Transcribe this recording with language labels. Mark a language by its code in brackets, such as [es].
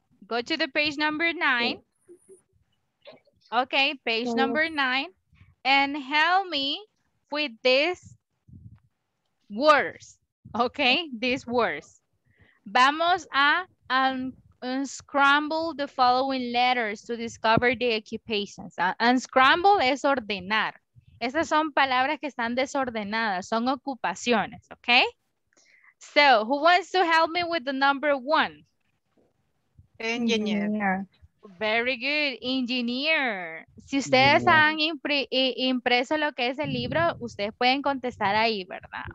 [en] Go to the page number 9. Okay, page number 9. And help me with this. Words, okay, these words. [es] Vamos a [en] unscramble the following letters to discover the occupations. [es] Unscramble es ordenar. Esas son palabras que están desordenadas, son ocupaciones, okay? [en] So, who wants to help me with the number one? Engineer. Very good, engineer. [es] Si ustedes han impreso lo que es el libro, ustedes pueden contestar ahí, ¿verdad?